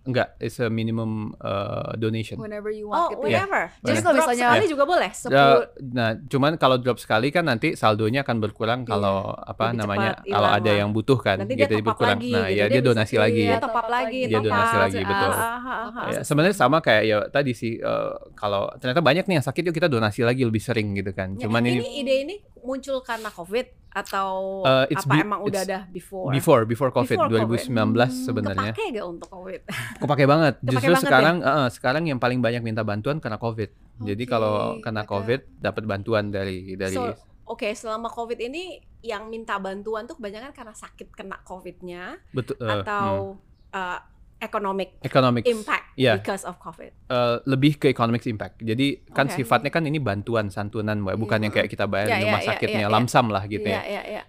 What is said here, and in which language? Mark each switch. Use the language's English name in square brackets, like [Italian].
[English] Enggak, it's a minimum donation whenever you want. [Indonesian] Jadi kalau misalnya sekali juga boleh? Nah, cuman kalau drop sekali kan nanti saldonya akan berkurang kalau apa lebih namanya kalau ada yang butuh kan nanti gitu, berkurang lagi. Nah gitu, ya, dia donasi lagi. Dia top up lagi. Dia donasi lagi, betul. Ya, sebenarnya sama kayak ya tadi sih kalau ternyata banyak nih yang sakit, yuk kita donasi lagi lebih sering gitu kan. Cuman ini ide ini muncul karena COVID atau emang udah ada before COVID, 2019 sebenarnya. Kepake gak untuk COVID? Kepake banget. Justru sekarang sekarang yang paling banyak minta bantuan karena COVID. Okay. Jadi kalau kena COVID dapat bantuan dari selama COVID ini yang minta bantuan tuh kebanyakan karena sakit kena COVID-nya. Betul. [English] Atau economic impact because of COVID. [Indonesian] Lebih ke economic impact. Jadi kan sifatnya kan ini bantuan santunan, bukan yang kayak kita bayar rumah sakitnya lamsam lah gitu ya.